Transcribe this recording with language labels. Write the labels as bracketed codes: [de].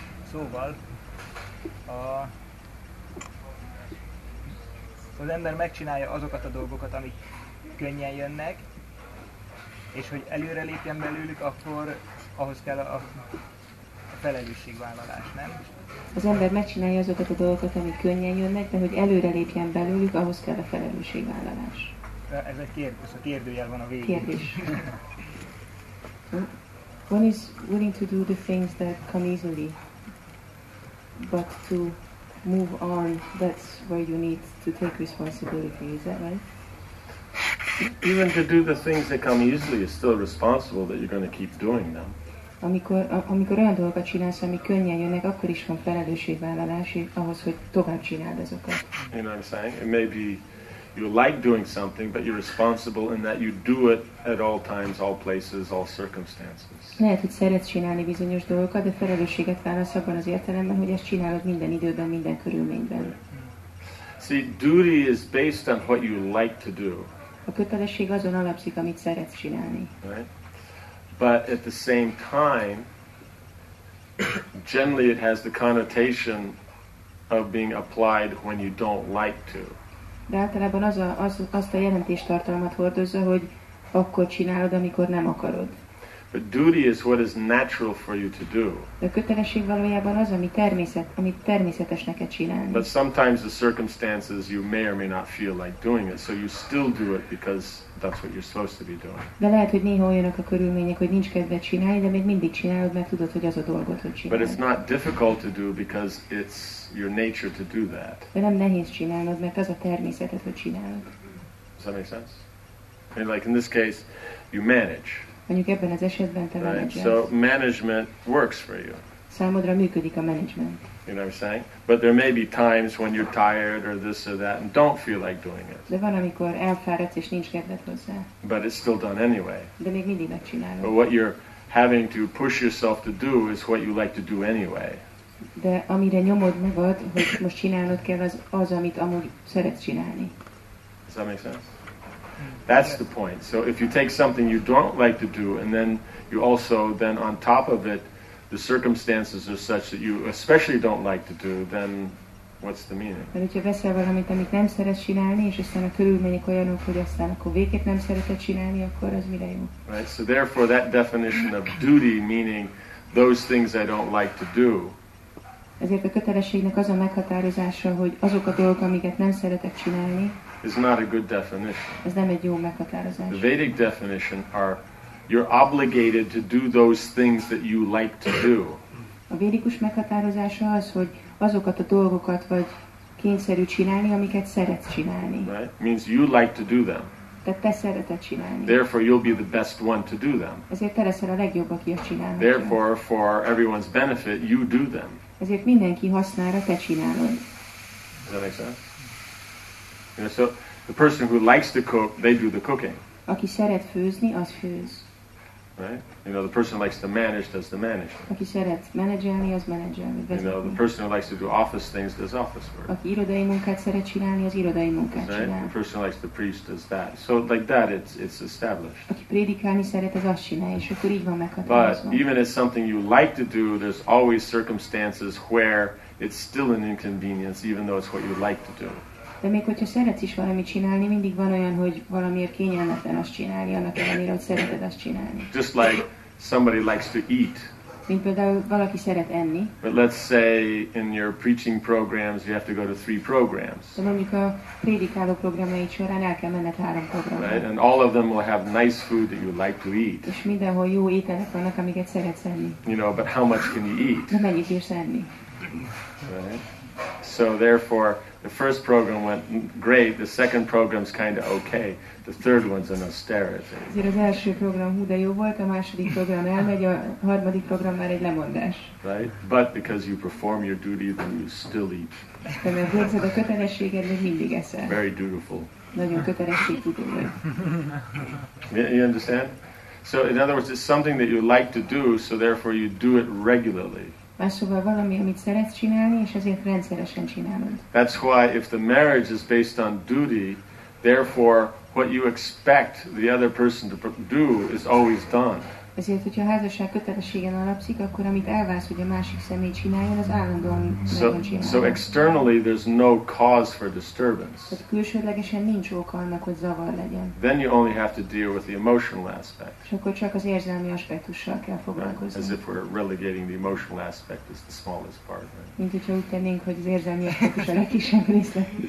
[hu] Szóval, az ember megcsinálja azokat a dolgokat, amik könnyen jönnek, és hogy előre lépjen belőlük, akkor ahhoz kell a felelősségvállalás, nem? Az ember megcsinálja azokat a dolgokat, amik könnyen jönnek, de hogy előre lépjen belőlük, ahhoz kell a felelősségvállalás. Ez egy kérdés, a kérdőjel van a végén. Kérdés. [en] One is willing to do the things that come easily, but to move on, that's where you need to take responsibility, is that right? Even to do the things that come easily is still responsible that you're going to keep doing them. [hu] Amikor olyan dolgokat csinálsz, ami könnyen jönnek, akkor is van felelősségvállalás ahhoz, hogy tovább csináld azokat. [en] You know what I'm saying? It may be you like doing something, but you're responsible in that you do it at all times, all places, all circumstances. [hu] Lehet, hogy szeretsz csinálni bizonyos dolgokat, de felelősséget válasz abban az értelemben, hogy ezt csinálod minden időben, minden körülményben. [en] See, duty is based on what you like to do. [hu] A kötelesség azon alapszik, amit szeretsz csinálni. [en] But at the same time, generally it has the connotation of being applied when you don't like to. [hu] De általában azt a jelentéstartalmat hordozza, hogy akkor csinálod, amikor nem akarod. [en] But duty is what is natural for you to do. [hu] De a kötelesség valójában az, amit természetes neked csinálni. [en] But sometimes the circumstances you may or may not feel like doing it, so you still do it because that's what you're supposed to be doing. [hu] De lehet, hogy néha olyanok a körülmények, hogy nincs kedved csinálni, de még mindig csinálod, mert tudod, hogy az a dolgot, hogy csinálod. [en] But it's not difficult to do because it's your nature to do that. [hu] De nem nehéz csinálnod, mert az a természeted, hogy csinálod. [en] Does that make sense? And like in this case, you manage. [hu] Mondjuk ebben az esetben te menedzselsz. [en] Right? So management works for you. [hu] Számodra működik a management. [en] You know what I'm saying? But there may be times when you're tired or this or that and don't feel like doing it. [hu] De van, amikor elfáradsz és nincs kedved hozzá. [en] But it's still done anyway. [hu] De még mindig megcsinálod. [en] But what you're having to push yourself to do is what you like to do anyway. [hu] De amire nyomod magad, hogy most csinálnod kell, az az, amit amúgy szeretsz csinálni. [en] Does that make sense? That's the point. So if you take something you don't like to do, and then you also, then on top of it, the circumstances are such that you especially don't like to do, then what's the meaning? [hu] Mert hogyha veszel valamit, amit nem szeretsz csinálni, és aztán a körülmények olyanok, hogy aztán akkor végképp nem szereted csinálni, akkor az mire jó? [en] Right, so therefore that definition of duty, meaning those things I don't like to do. [hu] Ezért a kötelességnek az a meghatározása, hogy azok a dolgok, amiket nem szeretek csinálni, [en] is not a good definition. [hu] Ez nem egy jó meghatározás. [en] The Vedic definition are you're obligated to do those things that you like to do. [hu] A védikus meghatározása az, hogy azokat a dolgokat vagy kényszerű csinálni, amiket szeretsz csinálni. [en] Right? Means you like to do them. [hu] Tehát te szereted csinálni. [en] Therefore you'll be the best one to do them. [hu] Ezért te leszel a legjobb, aki azt csinálhatja. [en] Therefore for everyone's benefit you do them. [hu] Ezért mindenki hasznára te csinálod. [en] Does that make sense? You know, so the person who likes to cook, they do the cooking. [hu] Aki szeret főzni, az főz. [en] Right? You know, the person who likes to manage, does the managing. [hu] Aki szeret menedzselni, az menedzselni. [en] You know, the person who likes to do office things, does office work. [hu] Aki irodai munkát szeret csinálni, az irodai munkát [en] right? [hu] csinál. [en] The person who likes to preach, does that. So like that, it's established. [hu] Aki prédikálni szeret, az azt csinálja, és akkor így van meghatározva. [en] But even if something you like to do, there's always circumstances where it's still an inconvenience, even though it's what you like to do. [hu] De még hogyha szeretsz is valamit csinálni, mindig van olyan, hogy valamiért kényelmetlen azt csinálni, annak ellenére, hogy szereted azt csinálni. [en] Just like somebody likes to eat. [hu] Mint például valaki szeret enni. [en] But let's say in your preaching programs you have to go to 3 programs. [hu] De mondjuk a prédikáló programjaid során el kell menned 3 programra. [en] Right? And all of them will have nice food that you like to eat. [hu] És mindenhol jó ételek vannak, amiket szeretsz enni. [en] You know, but how much can you eat? [hu] De mennyit bírsz enni? [en] Right? So therefore, the first program went great, the second program's kind of okay, the third one's an austerity. [hu] Ezért az első program hú, de jó volt, a második program elmegy, a harmadik program már egy lemondás. [en] Right? But because you perform your duty, then you still eat. [hu] De mert hozzad a kötelességed, még mindig eszel. [en] Very dutiful. [hu] Nagyon kötelességtudó vagy. [en] You understand? So in other words, it's something that you like to do, so therefore you do it regularly. [hu] Más szóval valami, amit szeretsz csinálni, és ezért rendszeresen csinálod. [en] That's why if the marriage is based on duty, therefore what you expect the other person to do is always done. [hu] Ezért, hogyha a házasság kötelességen alapszik, akkor amit elvársz, hogy a másik személy csináljon, az állandóan megcsinálja. [en] So externally there's no cause for disturbance. [hu] Tehát külsődlegesen nincs oka annak, hogy zavar legyen. [en] Then you only have to deal with the emotional aspect. [hu] És akkor csak az érzelmi aspektussal kell foglalkozni. [en] Right. As if we're relegating the emotional aspect as the smallest part. Right? [hu] Mint hogyha úgy tennénk, hogy az érzelmi aspektus a legkisebb része.